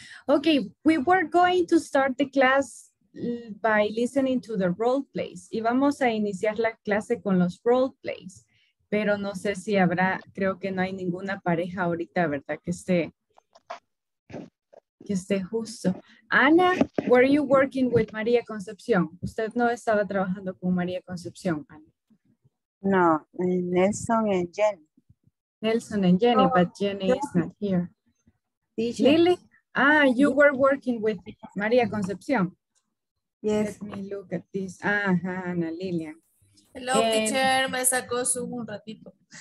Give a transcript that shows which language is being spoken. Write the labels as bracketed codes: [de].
[en] Okay, we were going to start the class by listening to the role plays. [es] Y vamos a iniciar la clase con los role plays. Pero no sé si habrá, creo que no hay ninguna pareja ahorita, ¿verdad? Que esté justo. [en] Ana, were you working with María Concepción? [es] Usted no estaba trabajando con María Concepción, Ana. [en] No, Nelson and Jenny. Nelson and Jenny, but Jenny is not here. Teacher. Lily? You were working with María Concepción. Yes. Let me look at this. Ana Lilian. Hello, teacher. [es] Me sacó Zoom un ratito.